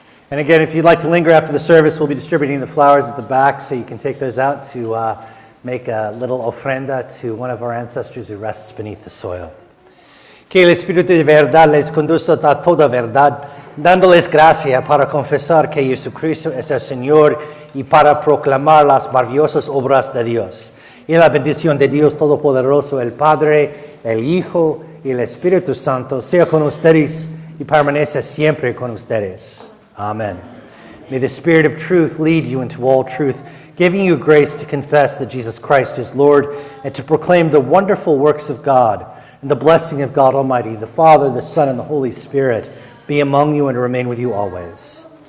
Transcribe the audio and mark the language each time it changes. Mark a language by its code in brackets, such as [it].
[en] And again, if you'd like to linger after the service, we'll be distributing the flowers at the back, so you can take those out to make a little ofrenda to one of our ancestors who rests beneath the soil. [es] Que el Espíritu de verdad les conduzca a toda verdad, dándoles gracia para confesar que Jesucristo es el Señor y para proclamar las maravillosas obras de Dios. Y la bendición de Dios Todopoderoso, el Padre, el Hijo y el Espíritu Santo, sea con ustedes y permanece siempre con ustedes. Amen. [en] May the Spirit of truth lead you into all truth, giving you grace to confess that Jesus Christ is Lord and to proclaim the wonderful works of God. And the blessing of God Almighty, the Father, the Son, and the Holy Spirit be among you and remain with you always.